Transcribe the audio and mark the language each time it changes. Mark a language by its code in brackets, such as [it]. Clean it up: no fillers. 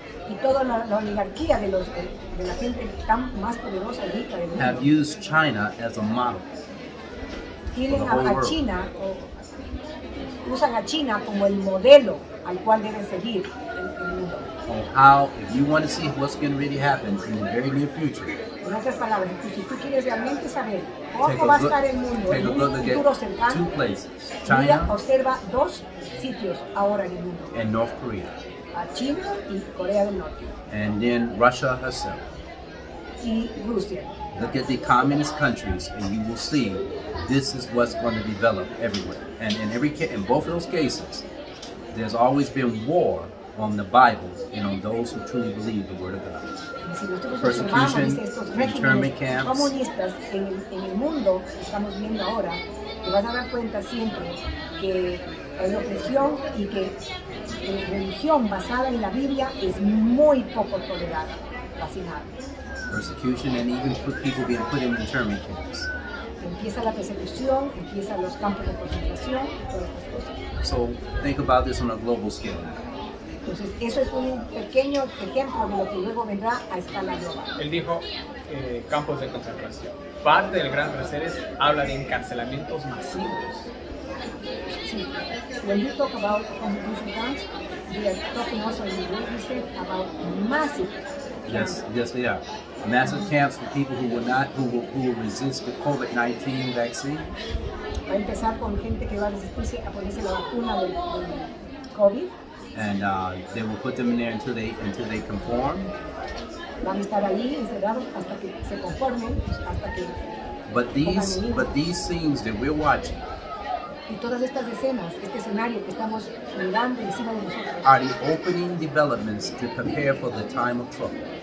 [es] Y toda la oligarquía de los de la gente tan más poderosa y rica del mundo. [en] Have used China as a model. [es] Tienen a China, usan a China como el modelo al cual deben seguir el mundo. [en] How, if you want to see what's going to really happen in the very near future. [es] En otras palabras, si tú quieres realmente saber cómo va a estar el mundo en un futuro cercano, [en] two places, China, [es] mira, observa dos sitios ahora en el mundo. [en] And North Korea. [es] A China y Corea del Norte. [en] And then Russia herself. [es] Y Rusia. [en] Look at the communist countries, and you will see this is what's going to develop everywhere. And in every in both of those cases, there's always been war on the Bible and on those who truly believe the Word of God. Persecution, internment camps. [es] Comunistas en el mundo estamos viendo ahora. Te vas a dar cuenta siempre que la opresión y que la religión basada en la Biblia es muy poco tolerada, fascinada. [en] Persecution and even put people being put in internment camps. [es] Empieza la persecución, empieza los campos de concentración, todas estas cosas. [en] So think about this on a global scale. [es] Entonces, eso es un pequeño ejemplo de lo que luego vendrá a escala global. Él dijo campos de concentración. Parte del Gran Reset habla de encarcelamientos masivos. Sí. [en] When you talk about concentration camps, we are talking also in the reset about massive. Yes, yes, they are. Massive camps for people who will not, who will resist the COVID-19 vaccine. [es] Va a empezar con gente que va a resistirse a ponerse la vacuna del COVID. [en] And they will put them in there until they conform. [es] Van a estar allí encerrados hasta que se conformen, hasta que. [en] But these scenes that we're watching. [es] Y todas estas escenas, este escenario que estamos mirando encima de nosotros. [en] Are the opening developments to prepare for the time of trouble.